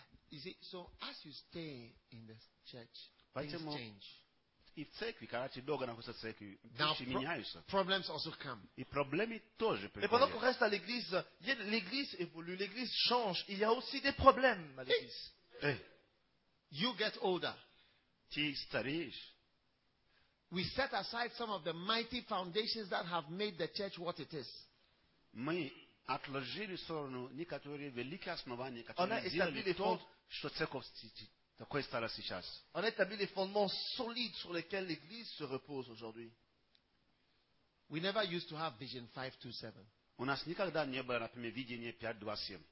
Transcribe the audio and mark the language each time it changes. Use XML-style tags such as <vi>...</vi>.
<en>Is it, so as you stay in the church, things change.</en> <ru>И в церкви, когда ты долго находишься в церкви, вещи меняются.</ru> <en>Problems also come.</en> <ru>И проблемы тоже приходят. И</ru> <fr>pendant qu'on reste à l'église, l'église évolue, l'église change. Il y a aussi des problèmes à l'église.</fr> <en>Hey. You get older.</en> <ru>Ты стареешь.</ru> <en>We set aside some of the mighty foundations that have made the church what it is.</en> <ru>Мы отложили в сторону некоторые великие основания, которые сделали то, что церковь стала.</ru> <fr>On a établi les fondements solides sur lesquels l'Église se repose aujourd'hui.</fr> <en>We never used to have vision 527.</en> <ru>У нас никогда не было, например, видение 527.</ru>